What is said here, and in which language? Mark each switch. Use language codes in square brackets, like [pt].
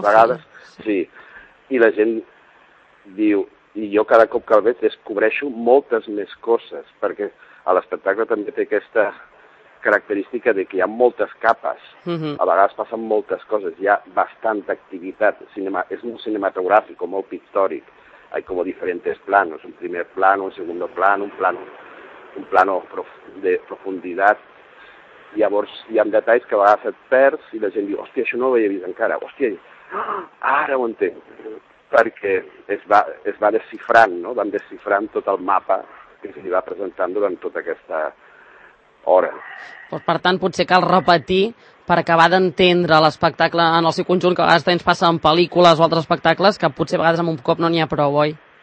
[ca] 3 vegades, sí. I la gent diu... I jo cada cop que el veig descobreixo moltes més coses, perquè a l'espectacle també té aquesta característica de que hi ha moltes capes. A vegades passen moltes coses, hi ha bastanta activitat. És molt cinematogràfic, molt pictòric. [es] Hay como diferentes planos, un primer plano, un segundo plano, un plano de profunditat. [ca] Llavors hi ha detalls que a vegades et perds i la gent diu, hòstia, això no ho havia vist encara, hòstia, ara ho entenc. Perquè es va desxifrant, no? Van desxifrant tot el mapa que se li va presentant durant tota aquesta hora. Pues per tant, potser cal repetir per acabar d'entendre l'espectacle en el seu conjunt, que a vegades ens passa en pel·lícules o altres espectacles, que potser a vegades amb un cop no n'hi ha prou, oi?